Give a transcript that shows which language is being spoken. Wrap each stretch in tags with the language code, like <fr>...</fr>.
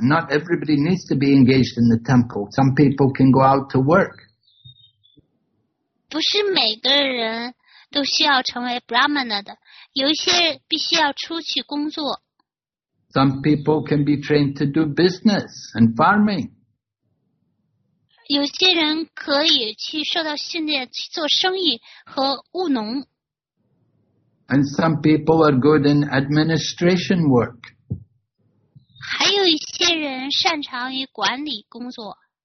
<en>Not everybody needs to be engaged in the temple. Some people can go out to work.</en> <zh>不是每个人都需要成为 brahmana 的，有一些必须要出去工作。</zh> <en>Some people can be trained to do business and farming.</en> <zh>有些人可以去受到训练去做生意和务农。</zh> <en>And some people are good in administration work.</en> <zh>还有一些人擅长于管理工作。</zh>